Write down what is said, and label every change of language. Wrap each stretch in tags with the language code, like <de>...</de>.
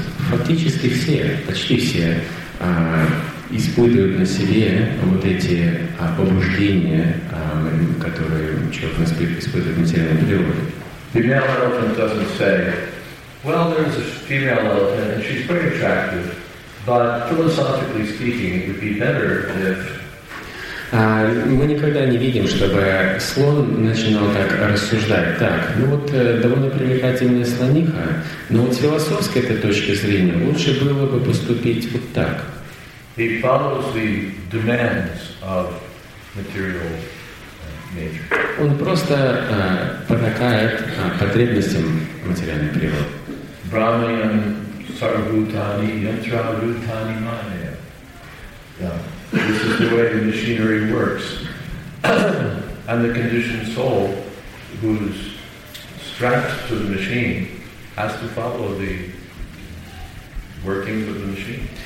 <ru>Фактически все, почти все, испытывают на себе вот эти побуждения, которые человек испытывает в материальной природе.</ru> <en>The male elephant doesn't say, well, there's a female elephant and she's pretty attractive, but philosophically speaking, it would be better if...</en> <ru>Мы никогда не видим, чтобы слон начинал так рассуждать. Так, ну вот довольно привлекательная слониха, но вот с философской этой точки зрения лучше было бы поступить вот так.</ru> <en>He follows the demands of material nature.</en> <ru>Он просто потакает потребностям материальной природы.</ru> <sa>Брахманам сарвабхутани ятрабхутани майя.</sa> <en>This is the way the machinery works. And the conditioned soul who's strapped to the machine has to follow the workings of the machine.</en>